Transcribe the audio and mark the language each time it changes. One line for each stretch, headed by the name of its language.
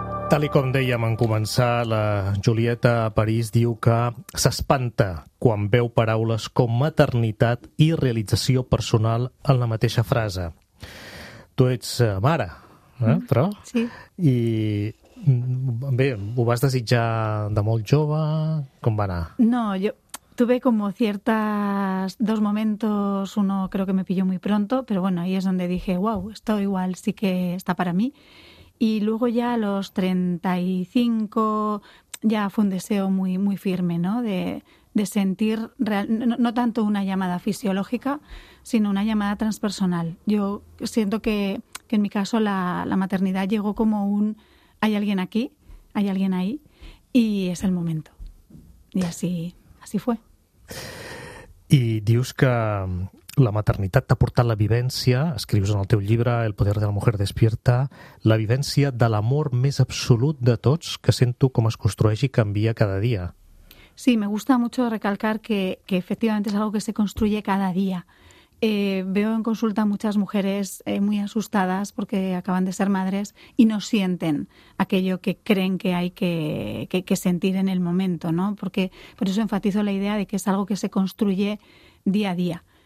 Catalan: Tal com dèiem en començar, la Julieta a París diu que s'espanta quan veu paraules com maternitat i realització personal en la mateixa frase. Tu ets mare, però? Sí. I bé, ho vas desitjar de molt jove? Com va anar?
Spanish: No, jo tuve como ciertas dos momentos, uno creo que me pilló muy pronto, pero bueno, ahí es donde dije, wow, esto igual sí que está para mí. Y luego ya a los 35 ya fue un deseo muy, muy firme, ¿no? De sentir, no tanto una llamada fisiológica, sino una llamada transpersonal. Yo siento que en mi caso la maternidad llegó como un hay alguien aquí, hay alguien ahí, y es el momento. Y así fue.
Catalan: Y dius que la maternitat t'ha portat la vivència, escrius en el teu llibre El poder de la mujer despierta, la vivència de l'amor més absolut de tots que sento com es construeix i canvia cada dia.
Spanish: Sí, me gusta mucho recalcar que efectivamente es algo que se construye cada día, Veo en consulta muchas mujeres muy asustadas porque acaban de ser madres y no sienten aquello que creen que hay que sentir en el momento, ¿no? Porque por eso enfatizo la idea de que es algo que se construye día a día.